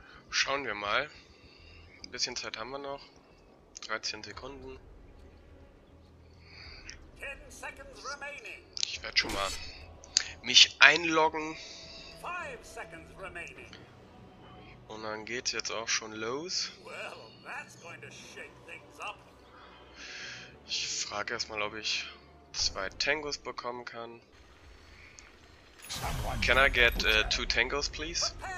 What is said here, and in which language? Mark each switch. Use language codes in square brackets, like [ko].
[de] Schauen wir mal. Ein bisschen Zeit haben wir noch. 13 Sekunden. [en] 10 seconds remaining. [de] Ich werde schon mal mich einloggen. [en] 5 seconds remaining. [de] Und dann geht's jetzt auch schon los. [en] Well, that's going to shake things up. [de] Ich frage erstmal, ob ich zwei Tangos bekommen kann. [en] Can I get two Tangos, please?